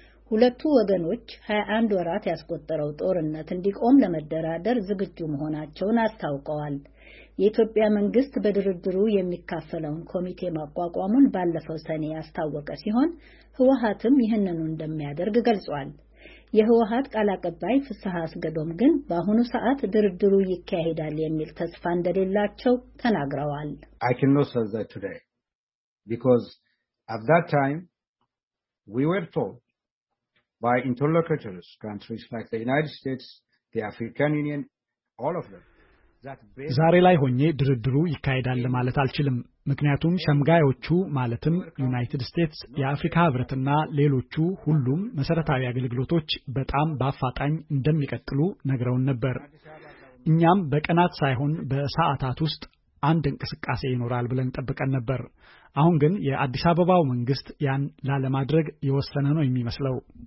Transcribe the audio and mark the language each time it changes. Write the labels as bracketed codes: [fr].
[am] ሁለቱ ወገኖች 21 ወራት ያስቆጠረው ጦርነት እንዲቆም ለመደራደር ዝግጁ መሆናቸውን አስታውቀዋል። የኢትዮጵያ መንግስት በድርድሩ የሚካፈለውን ኮሚቴ ማቋቋሙን ባለፈው ሰኔ ያስታወቀ ሲሆን ህወሓትም ይህንኑ እንደሚያደርግ ገልጿል። የህወሓት ቃል አቀባይ ፍስሐ አስገዶም ግን በአሁኑ ሰዓት ድርድሩ ይካሄዳል የሚል ተስፋ እንደሌላቸው ተናግረዋል። [en] I cannot say that today because at that time we were told by interlocutors countries like the United States, the African Union, all of them. [am] ዛሬ ላይ ሆኜ ድርድሩ ይካሄዳል ማለት አልችልም። ምክንያቱም ሸምጋዮቹ ማለትም ዩናይትድ ስቴትስ፣ የአፍሪካ ህብረትና ሌሎቹ ሁሉም መሰረታዊ አገልግሎቶች በጣም በአፋጣኝ እንደሚቀጥሉ ነግረውን ነበር። እኛም በቀናት ሳይሆን በሰዓታት ውስጥ አንድ እንቅስቃሴ ይኖራል ብለን ተጠብቀን ነበር። አሁን ግን የአዲስ አበባው መንግስት ያን ላለማድረግ የወሰነ ነው የሚመስለው።